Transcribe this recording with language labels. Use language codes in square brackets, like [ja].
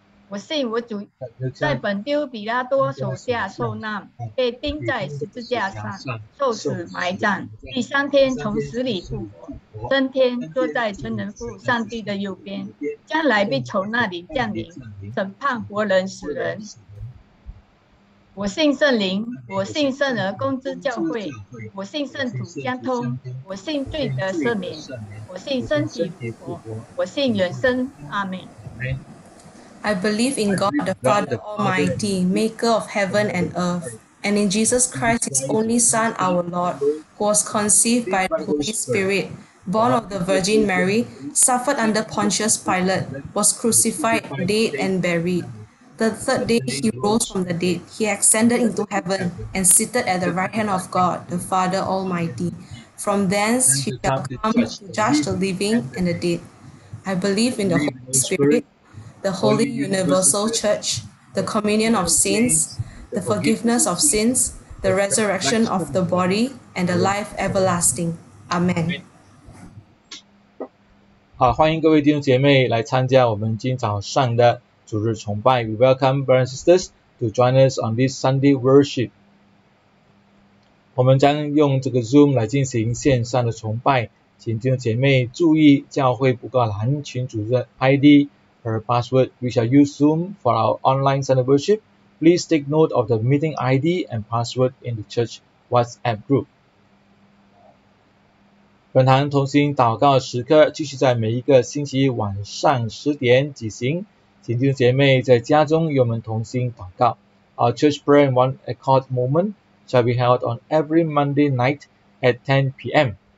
[zh] 我信我主在本丢比拉多手下受难，被钉在十字架上，受死埋葬，第三天从死里复活，升天坐在全能父上帝的右边，将来必从那里降临审判活人死人。我信圣灵，我信圣而公之教会，我信圣土相通，我信罪得赦免，我信身体复活，我信永生。阿们。 [en] I believe in God, the Father Almighty, maker of heaven and earth, and in Jesus Christ, his only Son, our Lord, who was conceived by the Holy Spirit, born of the Virgin Mary, suffered under Pontius Pilate, was crucified, dead, and buried. The third day he rose from the dead, he ascended into heaven and seated at the right hand of God, the Father Almighty. From thence he shall come to judge the living and the dead. I believe in the Holy Spirit,the Holy Universal Church, the communion of saints, the forgiveness of sins, the resurrection of the body, and the life everlasting. Amen. [zh] 好，欢迎各位弟兄姐妹来参加我们今早上的主日崇拜。 [en] We welcome brothers and sisters to join us on this Sunday worship. [zh] 我们将用这个 Zoom 来进行线上的崇拜，请弟兄姐妹注意教会布告栏群组的 ID。 [en] Her password, we shall use Zoom for our online Sunday worship. Please take note of the meeting ID and password in the church WhatsApp group. [zh] 本堂同心祷告时刻继续在每一个星期晚上十点举行，请弟兄姐妹在家中与我们同心祷告。 [en] Our church prayer in one accord moment shall be held on every Monday night at 10 p.m.